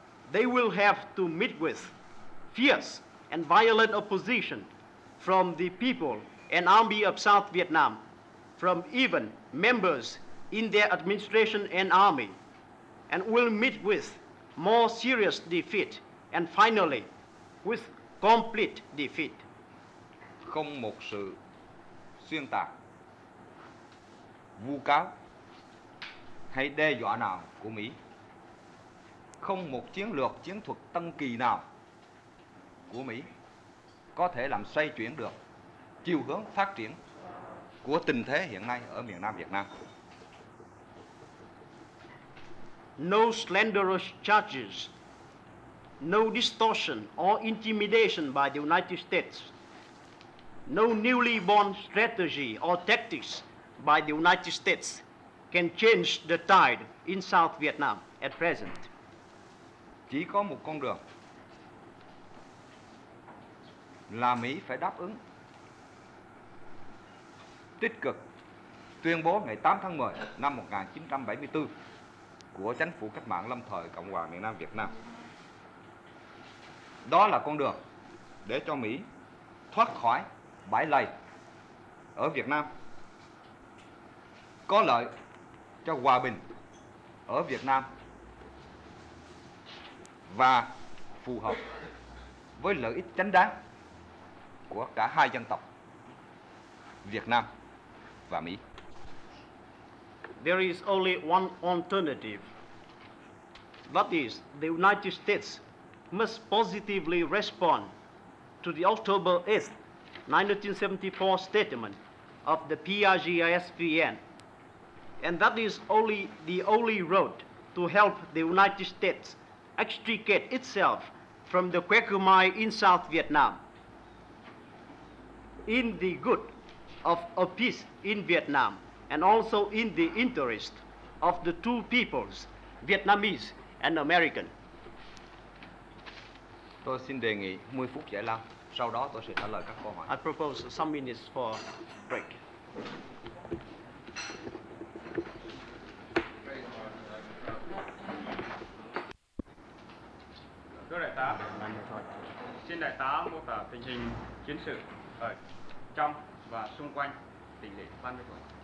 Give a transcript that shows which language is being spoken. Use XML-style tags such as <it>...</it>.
<en>they will have to meet with fierce and violent opposition from the people and army of South Vietnam, from even members in their administration and army, and will meet with more serious defeat, and finally, with complete defeat.</en> <vi>Không một sự xuyên tạc, vu cáo hay đe dọa nào của Mỹ. Không một chiến lược chiến thuật tân kỳ nào của Mỹ có thể làm xoay chuyển được chiều hướng phát triển của tình thế hiện nay ở miền Nam Việt Nam.</vi> <en>No slanderous charges, no distortion or intimidation by the United States, no newly born strategy or tactics by the United States can change the tide in South Vietnam at present.</en> <vi>Chỉ có một con đường là Mỹ phải đáp ứng tích cực tuyên bố ngày 8 tháng 10 năm 1974 của Chánh phủ Cách mạng lâm thời Cộng hòa miền Nam Việt Nam. Đó là con đường để cho Mỹ thoát khỏi bãi lầy ở Việt Nam, có lợi cho hòa bình ở Việt Nam và phù hợp với lợi ích chính đáng của cả hai dân tộc Việt Nam và Mỹ.</vi> <en>There is only one alternative. That is, the United States must positively respond to the October 8, 1974 statement of the PRGISVN. And that is only the only road to help the United States extricate itself from the quagmire in South Vietnam, in the good of a peace in Vietnam, and also in the interest of the two peoples, Vietnamese and American.</en> <vi>Tôi xin đề nghị 10 phút giải lao, sau đó tôi sẽ trả lời các câu hỏi.</vi> <en>I propose some minutes for break.</en> <vi>Thưa đại tá, xin đại tá mô tả tình hình chiến sự ở trong và xung quanh tỉnh lỵ Phan Văn Thuận.</vi>